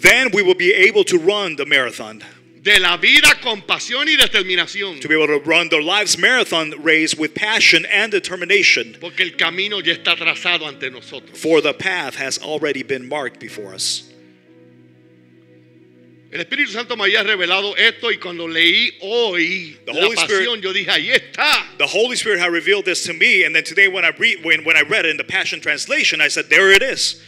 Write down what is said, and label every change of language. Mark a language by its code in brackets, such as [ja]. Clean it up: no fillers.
[en] Then we will be able to run the marathon. [es] De la vida con pasión y determinación. [en] To be able to run their life's marathon race with passion and determination. [es] Porque el camino ya está trazado ante nosotros. [en] For the path has already been marked before us. [es] El Espíritu Santo me había revelado esto y cuando leí hoy la pasión, yo dije, ahí está. [en] The Holy Spirit had revealed this to me, and then today when I read it in the Passion Translation, I said, there it is.